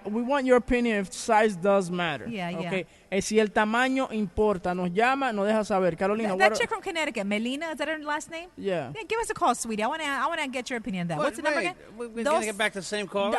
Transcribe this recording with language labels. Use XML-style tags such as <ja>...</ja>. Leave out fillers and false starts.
<en>We want your opinion if size does matter. Yeah. Okay.</en> <es>Si el tamaño importa, nos llama, nos deja saber.</es> <en>Carolina. That chick from Connecticut, Melina, is that her last name? Yeah. Give us a call, sweetie. I want to get your opinion on that. What's the number again? We're going to get back to the same call.</en>